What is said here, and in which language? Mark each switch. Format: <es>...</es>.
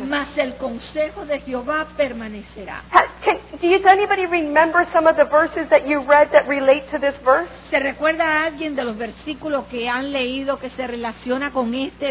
<es>Mas el consejo de Jehová permanecerá.</es> <en>Does anybody remember some of the verses that you read that relate to this verse?</en> <es>¿Se recuerda a alguien de los versículos que han leído que se relaciona con este</es>